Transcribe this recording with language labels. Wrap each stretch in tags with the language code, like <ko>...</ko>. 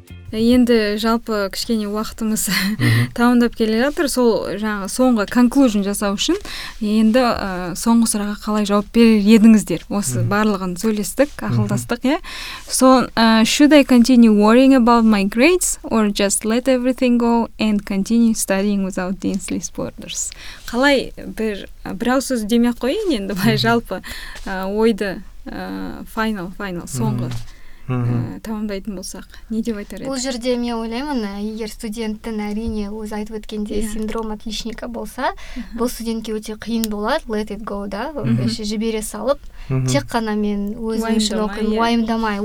<kk>Енді жалпы кішкене уақытымыз тауындап келе жатыр. Сол жаңа соңғы конклюжн жасау үшін енді соңғы сұраққа қалай жауап берер едіңіздер? Осы барлығын сөйлестік, ақылдастық, иә?</kk> <en>So, should I continue worrying about my grades or just let everything go and continue studying without these list borders?</en> <kk>Қалай бір ауыз сөз демей қояйын енді, бай жалпы ойды final соңғы тамамдайтын болсақ, не деп айтар едіңіз? Бұл жерде мен ойлаймын, егер студенттің әрине өз айтып өткенде</kk> <ru>синдром отличника</ru> <kk>болса, бұл студентке өте қиын болады,</kk> <en>let it go,</en> <kk>да, жібере салып, тек қана мен өзім үшін оқиын, уайымдамай.</kk>